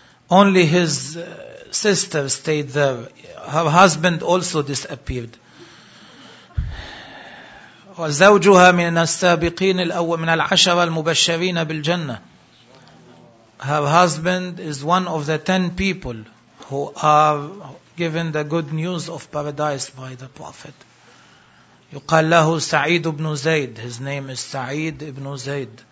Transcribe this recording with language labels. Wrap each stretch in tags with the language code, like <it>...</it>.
<en>Only his sister stayed there. Her husband also disappeared.</en> <ar>وزوجها من السابقين الأول من العشرة المبشرين بالجنة.</ar> <en>Her husband is one of the 10 people who are given the good news of paradise by the Prophet.</en> <ar>يقال له سعيد بن زيد.</ar> <en>His name is سعيد بن زيد.</en>